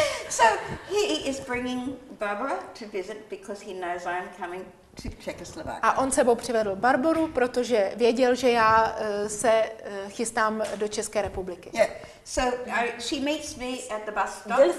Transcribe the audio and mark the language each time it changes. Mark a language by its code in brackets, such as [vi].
[en] So he is bringing Barbara to visit because he knows I'm coming. [cs] A on sebou přivedl Barboru, protože věděl, že já se chystám do České republiky. [en] Yeah. So she meets me at the bus stop.